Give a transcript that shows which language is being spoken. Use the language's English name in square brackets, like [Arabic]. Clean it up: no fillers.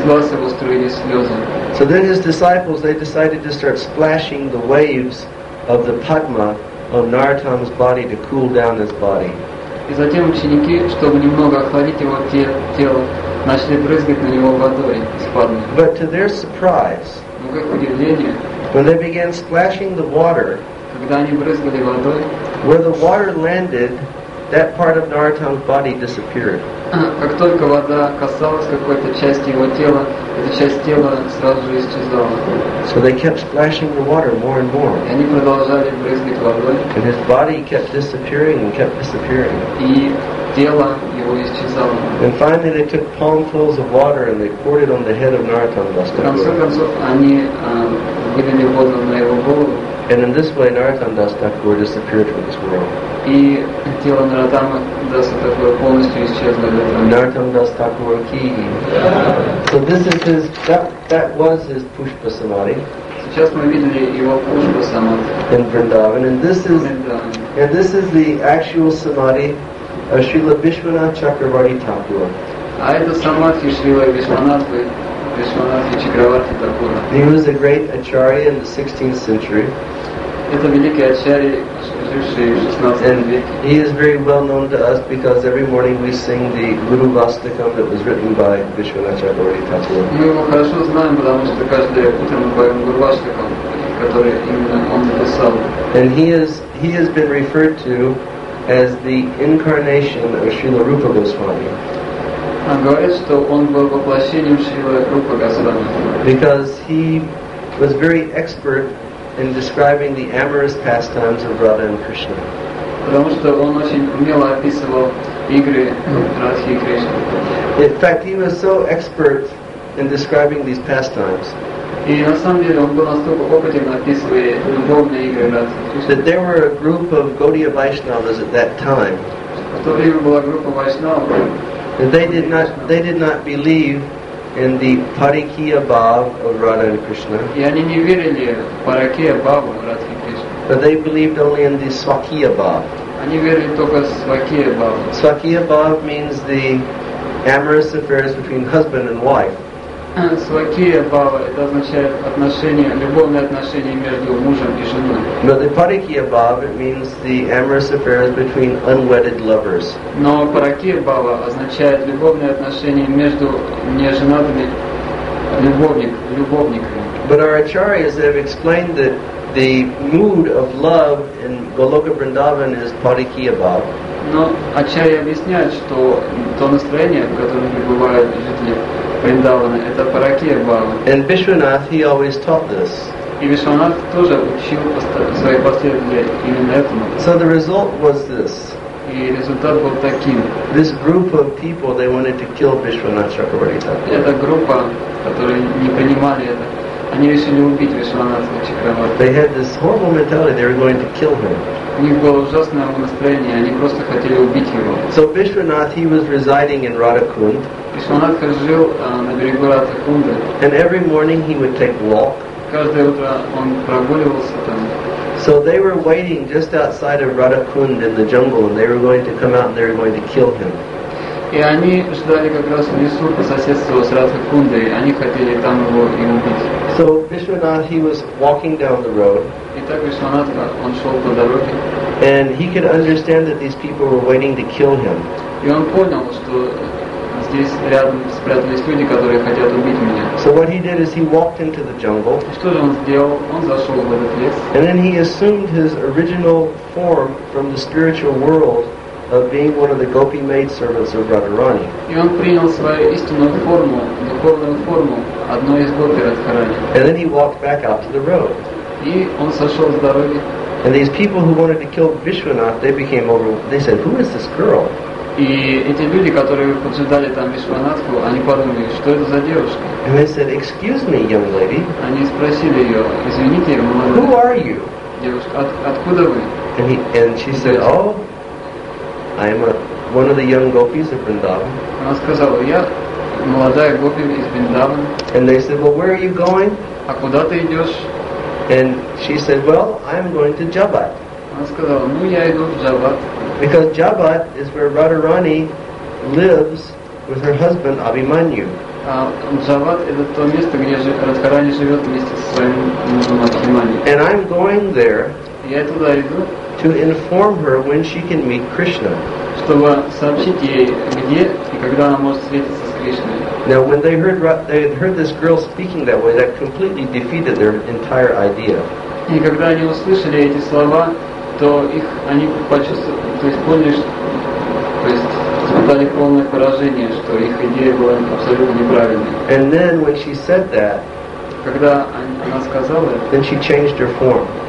[English] So then his disciples, they decided to start splashing the waves of the Padma on Naratama's body to cool down his body. [Russian] И затем ученики, чтобы немного охладить его тело, начали брызгать на него водой из Падмы. [English] But to their surprise, [Russian] но к их удивлению, [English] when they began splashing the water, [Russian] когда они брызгали водой, [English] where the water landed, that part of Naratan's body disappeared. [Russian] Как только вода касалась какой-то части его тела, эта часть тела сразу же исчезала. [English] So they kept splashing the water more and more. [Russian] И они продолжали брызгать водой. [English] And his body kept disappearing and kept disappearing. [Russian] И тело его исчезало. [English] And finally they took palmfuls of water and they poured it on the head of Naratan Das Thakura. [Russian] В конце концов они вылили воду на его голову. [English] And in this way Naratan Das Thakura disappeared from this world. [Russian] И тело Наратама Даса Такура полностью исчезло. [English] Наратам Дас Такура Кии. So this is his, that was his Пушпа Самади. [Russian] Сейчас мы видели его Пушпа Самади. [English] In Vrindavan. And this is the actual Samadhi of Srila Vishwanath Chakravarti Thakura. [Russian] А это Самадхи Шрила Вишванатхи Чакраварти Такура. [English] He was a great Acharya in the 16th century. [Russian] Это великий Ачарья. [English] And he is very well known to us because every morning we sing the Guru Vastakam that was written by Vishwanath Chakravarti Thakura. [Russian] Мы его хорошо знаем, потому что каждое утро мы поем Guru Vastakam, который именно он написал. [English] And he has been referred to as the incarnation of Srila Rupa Goswami. [Russian] Говорят, что он был воплощением Шрила Рупа Госвами. [English] Because he was very expert in describing the amorous pastimes of Radha and Krishna. [Russian] Потому что он очень умело описывал игры Радхи и Кришны. [English] In fact, he was so expert in describing these pastimes. [Russian] И на самом деле он был настолько опытен описывая любовные игры рации. [English] That there were a group of Gaudiya Vaishnavas at that time. [Russian] В то время была группа Вайшнава. [English] And they did not believe in the Parikiya Bhav of Radha and Krishna. [Russian] И они не верили в Парикия Бхав Радхи [English] Кришна. But they believed only in the Свакия Бхав. [Russian] Они верили только в Свакия Бхав. [English] Свакия Бхав means the amorous affairs between husband and wife. [Russian] Свакия Бхава это означает отношения, любовные отношения между мужем и женой. [English] But the Parikiya Bhav it means the amorous affairs between unwedded lovers. [Russian] Но Парикия Бхава означает любовные отношения между неженатыми любовниками. [English] But our acharyas have explained that the mood of love in Goloka Vrindavan is Parikiya Bhav. [Russian] Но ачарьи объясняют, что то настроение, в котором пребывают жители Вриндавана, это Паракия Бхава. [English] And Vishwanath, he always taught this. [Russian] И Вишванат тоже учил свои последователи именно этому. [English] So the result was this. [Russian] И результат был таким. [English] This group of people, they wanted to kill Vishwanath Chakravarti Thakura. [Russian] Эта группа, которые не принимали это, они решили убить Вишванатха Чакраварти. [English] They had this horrible mentality, they were going to kill him. [Russian] У них было ужасное настроение, они просто хотели убить его. [English] So Vishwanath, he was residing in Radhakund. [Russian] Vishwanath жил на берегу Радхакунды. [English] And every morning he would take a walk. [Russian] Каждое утро он прогуливался там. [English] So they were waiting just outside of Radhakund in the jungle, and they were going to come out and they were going to kill him. [Russian] И они ждали как раз в лесу по соседству с Радхакундой, и они хотели там его и убить. [English] So Vishwanath, he was walking down the road. [Russian] Итак, Вишванатх, он шел по дороге. [English] And he could understand that these people were waiting to kill him. [Russian] И он понял, что здесь рядом спрятались люди, которые хотят убить меня. [English] So what he did is he walked into the jungle. [Russian] И что же он сделал? Он зашел в этот лес. [English] And then he assumed his original form from the spiritual world of being one of the gopi maid servants of Radharani. [Russian] И он принял свою истинную форму, духовную форму одной из гопи Радхарани. [English] And then he walked back out to the road. [Russian] И он сошел с дороги. [English] And these people who wanted to kill Vishwanath, they became overwhelmed. They said, "Who is this girl?" [Russian] И эти люди, которые поджидали там Вишванатху, они подумали, что это за девушка? [English] And they said, "Excuse me, young lady." [Russian] Они спросили ее, извините, молодая. [English] "Who are you?" [Russian] Девушка, откуда вы? [English] And she said, "Oh, I am one of the young gopis of Vrindavan." [Russian] Она сказала, я молодая гопи из Вриндавана. [English] And they said, "Well, where are you going?" [Russian] А куда ты идешь? [English] And she said, "Well, I'm going to Jabhat." [Russian] Она сказала, ну я иду в Jabhat. [English] Because Jabhat is where Radharani lives with her husband Abhimanyu. [Russian] Jabhat это то место, где Радхарани живет вместе со своим мужем Абхиманью. [English] And I'm going there. [Russian] Я туда иду. [English] To inform her when she can meet Krishna. [Russian] Чтобы сообщить ей где и когда она может встретиться с Кришной. [English] Now, when they had heard this girl speaking that way, that completely defeated their entire idea. [Russian] И когда они услышали эти слова, то их они почувствовали, то есть поняли, то есть испытали полное поражение, что их идея была абсолютно неправильной. [English] And then, when she said that, [Russian] когда она сказала это, [English] then she changed her form.